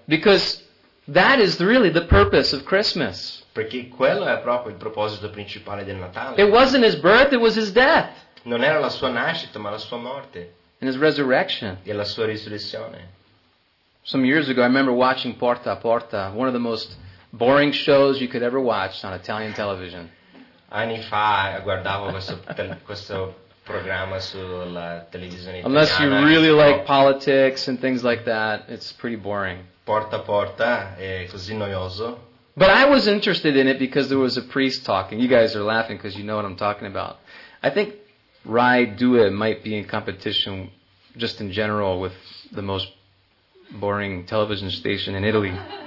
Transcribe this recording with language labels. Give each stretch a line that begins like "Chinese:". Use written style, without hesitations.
English: Because that is really the purpose of Christmas.
Italian: Perché quello è proprio il proposito principale del Natale.
English: It wasn't his birth, it was his death.
Italian: Non era la sua nascita, ma la sua morte.
English: And his resurrection.
Italian: E la sua risurrezione.
English: Some years ago I remember watching Porta a Porta, one of the most boring shows you could ever watch on Italian television.
Italian: Anni fa guardavo questo programma sulla televisione italiana.
English: Unless you really like politics and things like that, it's pretty boring.
Italian: Porta a Porta è così noioso.
English: But I was interested in it because there was a priest talking. You guys are laughing because you know what I'm talking about. I think Rai Due might be in competition just in general with the most boring television station in Italy.